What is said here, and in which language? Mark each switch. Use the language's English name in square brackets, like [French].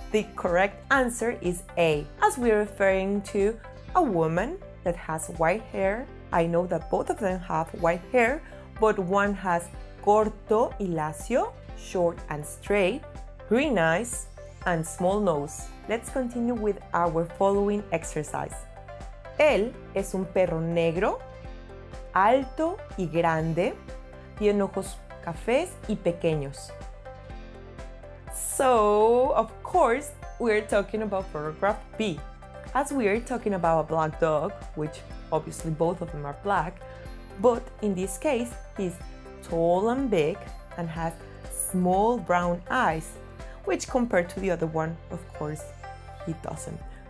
[English] The correct answer is A, as we're referring to a woman that has white hair. I know that both of them have white hair, but one has [Spanish] corto y lacio, [English] short and straight, green eyes, and small nose. Let's continue with our following exercise. [Spanish] Él es un perro negro, alto y grande, tiene ojos cafés y pequeños. [English] So, of course, we're talking about photograph B. As we're talking about a black dog, which obviously both of them are black, but in this case, he's tall and big and has small brown eyes, which compared to the other one, of course, he doesn't.